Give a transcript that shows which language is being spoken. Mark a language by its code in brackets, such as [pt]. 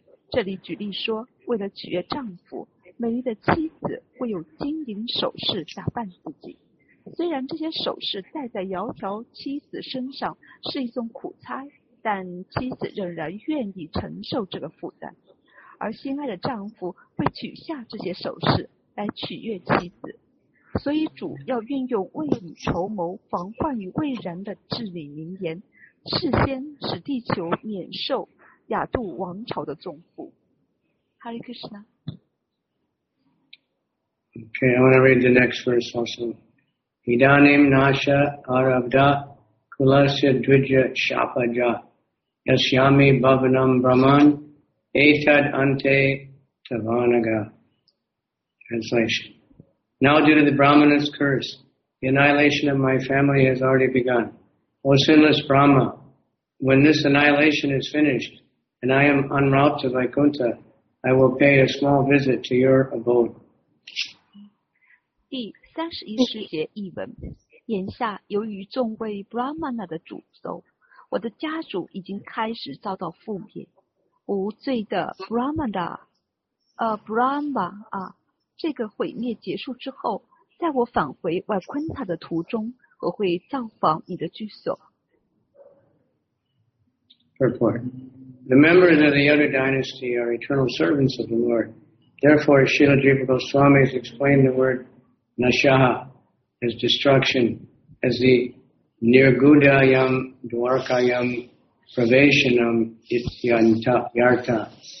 [zh] 这里举例说，为了取悦丈夫，美丽的妻子会有金银首饰打扮自己，虽然这些首饰戴在窈窕妻子身上是一种苦差，但妻子仍然愿意承受这个负担，而心爱的丈夫会取下这些首饰来取悦妻子。所以主要运用未雨绸缪防患于未然的至理名言，事先使地球免受亚度王朝的重负。 [sa] Hare Krishna。 [en] OK, I want to read the next verse also. [sa] Hidanim nasha aravda kulasya dvija shapaja yasyami bhavanam brahman etad ante tavanaga. Translation. [en] Now due to the Brahmana's curse, the annihilation of my family has already begun. O sinless Brahma, when this annihilation is finished and I am en route to Vaikuntha, I will pay a small visit to your abode. [zh] 第三十一世节译文，眼下由于众位 Brahmana 的诅咒，我的家族已经开始遭到覆灭。无罪的 Brahmana, Brahma, 啊。这个毁灭结束之后，在我返回瓦昆塔的途中，我会造访你的居所。 [en] Purport. The members of the other dynasty are eternal servants of the Lord. Therefore, Srila Jiva Goswami has explained the word nashaha as destruction, as the [sa] nirgudayam dwarkayam pravesanam ityantayartha.